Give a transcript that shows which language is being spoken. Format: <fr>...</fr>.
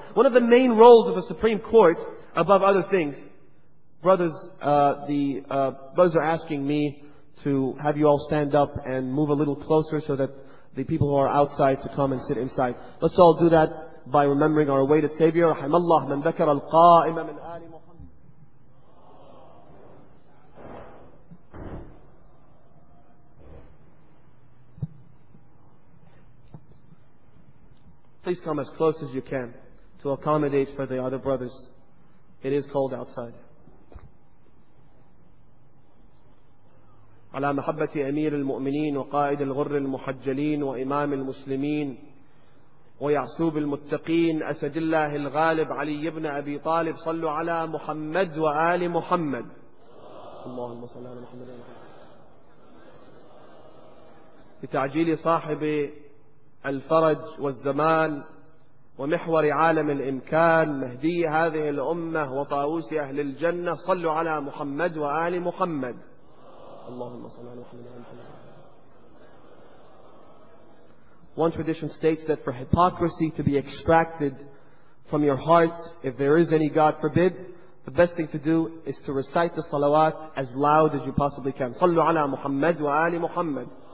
<en>One of the main roles of a Supreme Court, above other things, brothers, the brothers are asking me to have you all stand up and move a little closer so that the people who are outside to come and sit inside. Let's all do that by remembering our awaited Savior.</en> <ar>رحم الله من ذكر القائم من آل محمد.</ar> <en>Please come as close as you can to accommodate for the other brothers. It is cold outside.</en> <ar>على محبة أمير المؤمنين وقائد الغر المحجلين وإمام المسلمين ويعصوب المتقين أسد الله الغالب علي بن أبي طالب صلوا على محمد وآل محمد. اللهم صل على محمد. بتعجيل صاحب الفرج والزمان ومحور عالم الإمكان مهدي هذه الأمة وطاووس أهل الجنة صلوا على محمد وآل محمد. اللهم صل على محمد.</ar> <en>One tradition states that for hypocrisy to be extracted from your heart, if there is any, God forbid, the best thing to do is to recite the salawat as loud as you possibly can.</en> <ar>صلوا على محمد وآل محمد.</ar>